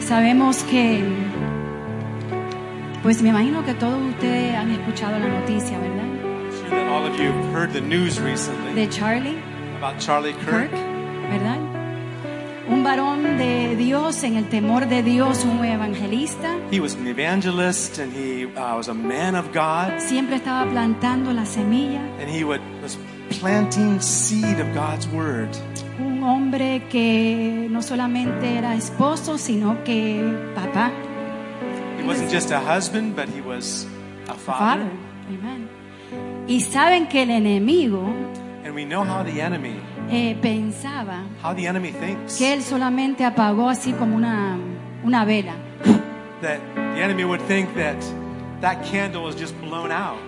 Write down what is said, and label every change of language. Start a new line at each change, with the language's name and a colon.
Spanish: Sabemos que, pues me imagino que todos ustedes han escuchado la noticia, ¿verdad?
English: I'm sure that all of you have heard the news recently.
Spanish: De Charlie.
English: About Charlie Kirk.
Spanish: ¿Verdad? Un varón de Dios en el temor de Dios, un evangelista.
English: He was an evangelist and he was a man of God.
Spanish: Siempre estaba plantando la semilla.
English: And he would, was planting seed of God's word.
Spanish: Un hombre que no solamente era esposo, sino que papá.
English: He wasn't just a husband, but he was a father. Father.
Spanish: Amen. Y saben que el enemigo,
English: and we know how the enemy,
Spanish: pensaba,
English: how the enemy thinks,
Spanish: que él solamente apagó así como una vela.
English: that the enemy would think that that candle was just blown out.